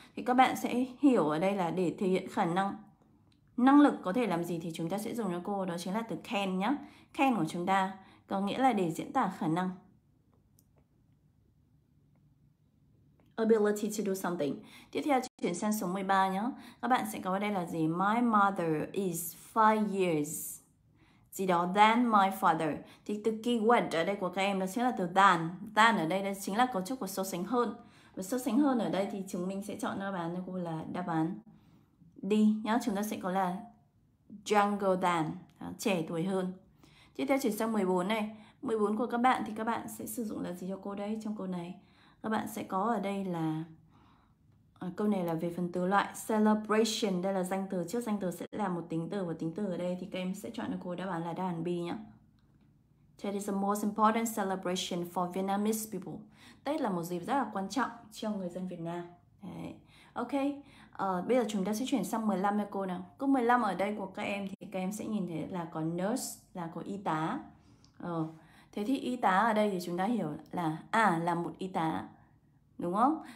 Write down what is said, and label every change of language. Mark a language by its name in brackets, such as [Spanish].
[Vietnamese] Thì các bạn sẽ hiểu ở đây là để thể hiện khả năng. Năng lực có thể làm gì thì chúng ta sẽ dùng cho cô, đó chính là từ can nhá. Can của chúng ta có nghĩa là để diễn tả khả năng. [English] Ability to do something. [Vietnamese] Tiếp theo chuyển sang số 13 nhé. Các bạn sẽ có ở đây là gì? [English] My mother is 5 years [Vietnamese] gì đó [English] than my father. [Vietnamese] Thì từ keyword ở đây của các em đó chính là từ than. Than ở đây đó chính là cấu trúc của so sánh hơn. Và so sánh hơn ở đây thì chúng mình sẽ chọn đáp án cho cô là đáp án D nhé. Chúng ta sẽ có là [English] younger than, [Vietnamese] trẻ tuổi hơn. Tiếp theo chuyển sang 14 này. 14 của các bạn thì các bạn sẽ sử dụng là gì cho cô đây trong câu này? Các bạn sẽ có ở đây là câu này là về phần từ loại celebration. Đây là danh từ, trước danh từ sẽ là một tính từ, và tính từ ở đây thì các em sẽ chọn cho cô đáp án là đáp án B nhé. [English] Tết is the most important celebration for Vietnamese people. [Vietnamese] Tết là một dịp rất là quan trọng cho người dân Việt Nam. Đấy. Ok, bây giờ chúng ta sẽ chuyển sang 15 nha cô nào. Câu 15 ở đây của các em thì các em sẽ nhìn thấy là có nurse, là có y tá. Thế thì y tá ở đây thì chúng ta hiểu là là một y tá. Đúng không?